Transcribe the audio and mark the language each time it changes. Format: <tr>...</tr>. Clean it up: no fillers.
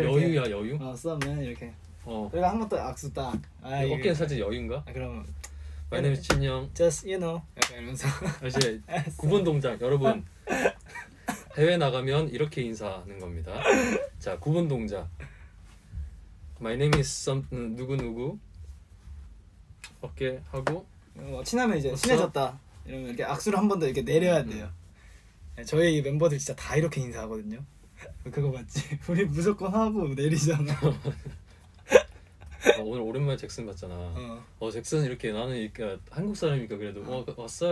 <ko>이렇게. 여유야, 여유. 어, 썸네 이렇게. 어. 그리고 한 번 또 악수 딱. 아, 이게 어깨는 살짝 여유인가? 아, 그러면.</ko> <en>My name is Jinyoung. Just you know.</en> <ko>약간 이러면서. 역시 9번 동작, 여러분. 해외 나가면 이렇게 인사하는 겁니다. 자, 9번 동작.</ko> <en>My name is some 누구누구.</en> <ko>어깨 하고 친하면 이제 없어? 친해졌다 이러면 이렇게 악수를 한 번 더 이렇게 내려야 돼요. 저희 멤버들 진짜 다 이렇게 인사하거든요. 그거 맞지? 우리 무조건 하고 내리잖아. 아, 오늘 오랜만에 잭슨 봤잖아. 잭슨 이렇게 나는 이렇게 한국 사람이니까 그래도 왔어요.</ko>